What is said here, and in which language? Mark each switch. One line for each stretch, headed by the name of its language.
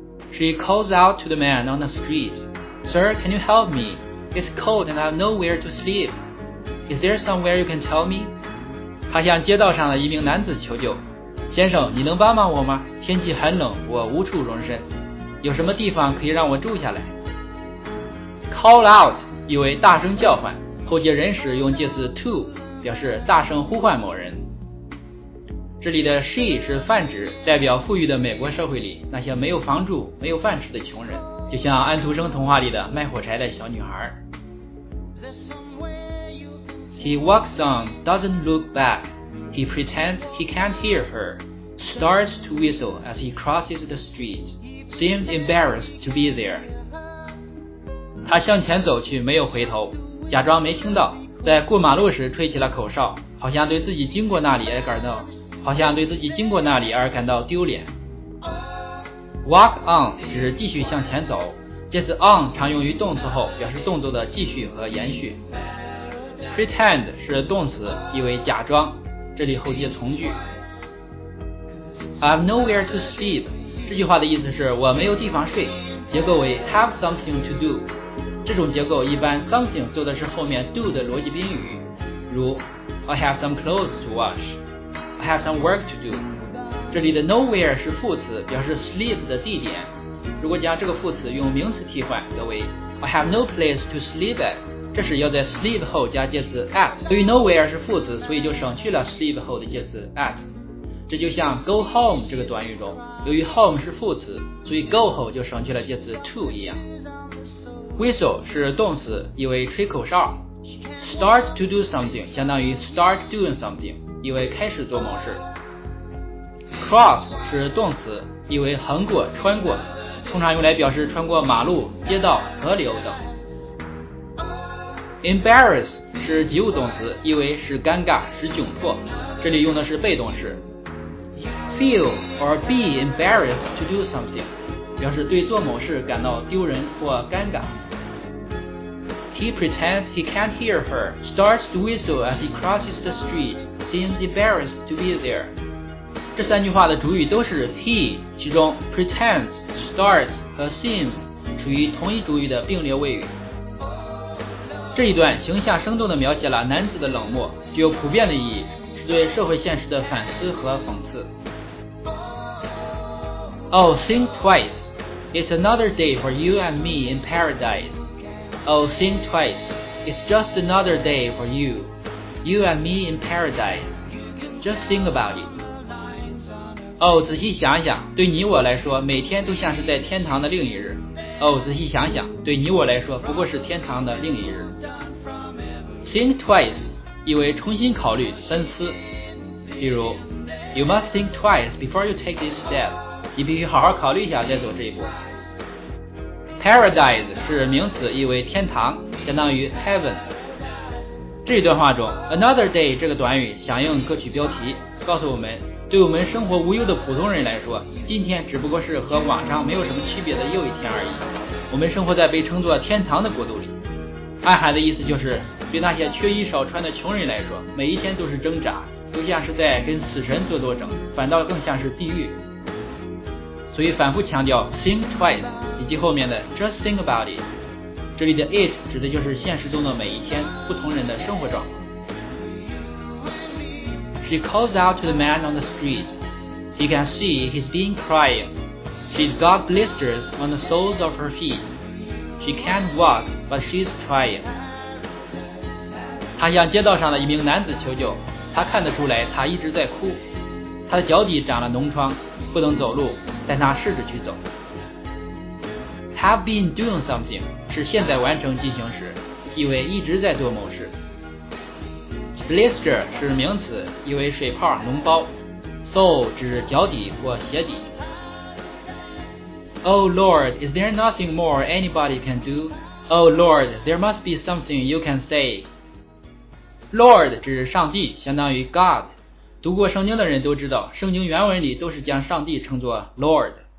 English: She calls out to the man on the street, Sir, can you help me? It's cold and I have nowhere to sleep. Is there somewhere you can tell me?
Chinese: 他向街道上的一名男子求救，先生，你能帮帮我吗？天气很冷，我无处容身，有什么地方可以让我住下来？ Call out 意为大声叫唤，后接人时用介词 to 表示大声呼唤某人。这里的 she 是泛指，代表富裕的美国社会里那些没有房住没有饭吃的穷人，就像安徒生童话里的卖火柴的小女孩。
English: He walks on, doesn't look back. He pretends he can't hear her. Starts to whistle as he crosses the street. Seems embarrassed to be there.
Chinese: 他向前走去没有回头，假装没听到，在过马路时吹起了口哨，好像对自己经过那里而感到丢脸。 Walk on 指继续向前走，介词 on 常用于动词后，表示动作的继续和延续。 Pretend 是动词，意为假装，这里后接从句。
English: I've nowhere to sleep
Chinese: 这句话的意思是我没有地方睡，结构为
English: have something to do。
Chinese: 这种结构一般 something 做的是后面 do 的逻辑宾语，如
English: I have some clothes to wash,have some work to do。
Chinese: 这里的 nowhere 是副词，表示 sleep 的地点，如果将这个副词用名词替换则为
English: I have no place to sleep at。
Chinese: 这时要在 sleep 后加介词 at， 由于 nowhere 是副词，所以就省去了 sleep 后的介词 at。这就像
English: go home
Chinese: 这个短语中，由于 home 是副词，所以 go 后就省去了介词 to 一样。 whistle 是动词，意为吹口哨。
English: start to do something
Chinese: 相当于
English: start doing something，
Chinese: 意为开始做某事。 cross 是动词，意为横过穿过，通常用来表示穿过马路街道河流等。 embarrass 是及物动词，意为使尴尬使窘迫，这里用的是被动式。
English: feel or be embarrassed to do something
Chinese: 表示对做某事感到丢人或尴尬。
English: he pretends he can't hear her, starts to whistle as he crosses the streetSeems embarrassed to be there。
Chinese: 这三句话的主语都是 he， 其中 pretends、 starts 和 seems 属于同一主语的并列谓语。这一段形象生动地描写了男子的冷漠，具有普遍的意义，是对社会现实的反思和讽刺。
English: Oh, think twice. It's another day for you and me in paradise. Oh, think twice. It's just another day for youYou and me in paradise. Just think about it.
Chinese: Oh, 仔细想想，对你我来说，每天都像是在天堂的另一日。 Oh, 仔细想想，对你我来说，不过是天堂的另一日。 Think twice, 意为重新考虑、深思。
English: 比如 ，You must think twice before you take this step.
Chinese: 你必须好好考虑一下再走这一步。Paradise 是名词，意为天堂，相当于 heaven。这一段话中 another day 这个短语响应歌曲标题，告诉我们对我们生活无忧的普通人来说，今天只不过是和往常没有什么区别的又一天而已，我们生活在被称作天堂的国度里。暗含的意思就是对那些缺衣少穿的穷人来说，每一天都是挣扎，都像是在跟死神做斗争，反倒更像是地狱。所以反复强调
English: think twice
Chinese: 以及后面的
English: just think about it，
Chinese: 这里的 it 指的就是现实中的每一天不同人的生活状况。
English: She calls out to the man on the street. He can see he's been crying. She's got blisters on the soles of her feet. She can't walk, but she's trying.
Chinese: 他向街道上的一名男子求救，他看得出来他一直在哭，他的脚底长了脓疮，不能走路，但他试着去走。
English: Have been doing something
Chinese: 是现在完成进行时，意为一直在做某事。 Blister 是名词，意为水泡脓包。 Sole 指脚底或鞋底。
English: Oh Lord, is there nothing more anybody can do? Oh Lord, there must be something you can say.
Chinese: Lord 指上帝，相当于 God。读过圣经的人都知道，圣经原文里都是将上帝称作 Lord。